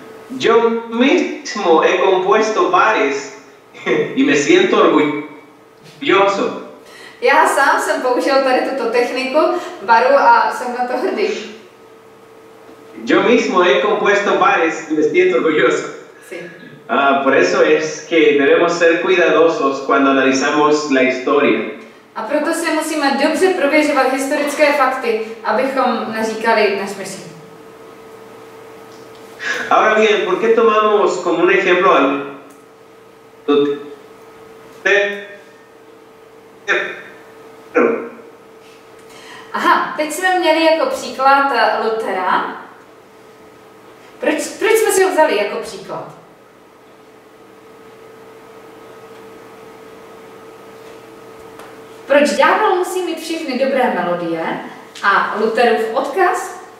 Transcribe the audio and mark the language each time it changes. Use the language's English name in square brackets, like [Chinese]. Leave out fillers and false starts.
[Spanish] Yo mismo he compuesto bares y me siento orgulloso. [Czech] Já sám jsem použil tady tuto techniku baru a jsem na to hrdý. [Spanish] Yo mismo he compuesto bares y me siento orgulloso. Por eso es que debemos ser cuidadosos cuando analizamos la historia. [Czech] A proto si musíme dobře prověřovat historické fakty, abychom neříkali nesmysl. [Spanish] Ahora bien, ¿por qué tomamos como un ejemplo a Lutero? [Czech] Aha, teď jsme měli jako příklad Lutera. Proč jsme si ho vzali jako příklad? Proč ďábel musí mít všechny dobré melodie a Lutherův odkaz?